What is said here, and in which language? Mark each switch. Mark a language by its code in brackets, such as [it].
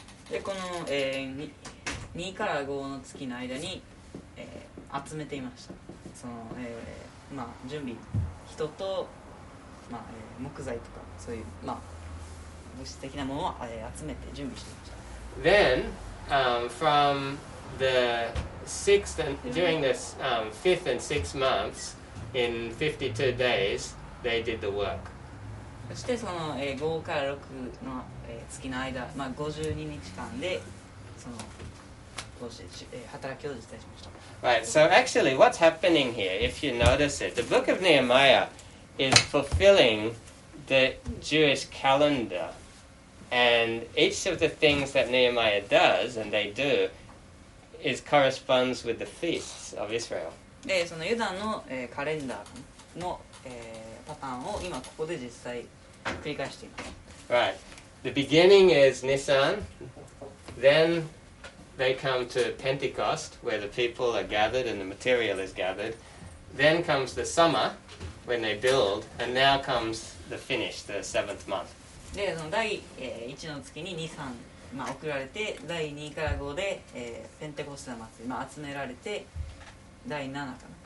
[ja] で、この 2から5の月の間に、集めていました。その、まあ、準備、人と、まあ、木材とか、そういう、まあ、物質的なものを集めて準備していました。 [en] Then, from the sixth and during this fifth and sixth months, in 52 days, they did the work. [ja] そしてその五から六の月の間、まあ52日間でその働きを実践しました。 [en] Right. So actually, what's happening here, if you notice it, the book of Nehemiah is fulfilling the Jewish calendar. And each of the things that Nehemiah does and they do is corresponds with the feasts of Israel. [ja] で、そのユダの、カレンダーの、パターンを今ここで実際繰り返しています。 [en] Right. The beginning is Nisan. Then they come to Pentecost, where the people are gathered and the material is gathered. Then comes the summer, when they build, and now comes the finish, the seventh month. [ja] で、その第、1の月に Nisan、まあ、送られて、第2から5で、ペンテコステの祭り、まあ、集められて、第7かな。